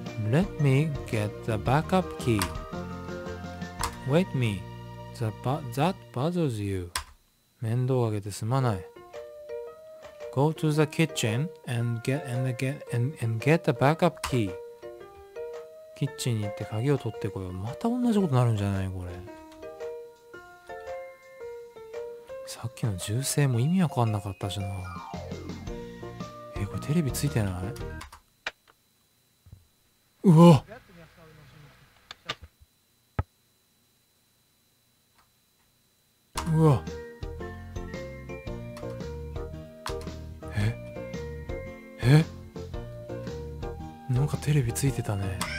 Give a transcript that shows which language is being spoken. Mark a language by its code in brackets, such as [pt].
[en] Let me get the backup key. Wait me. That bothers you. [ja] 面倒をあげてすまない。 [en] Go to the kitchen and get the backup key. [ja] キッチンに行って鍵を取ってこよう。また同じことになるんじゃないこれ。さっきの銃声も意味わかんなかったしな。これテレビついてない？うわ、なんかテレビついてたね。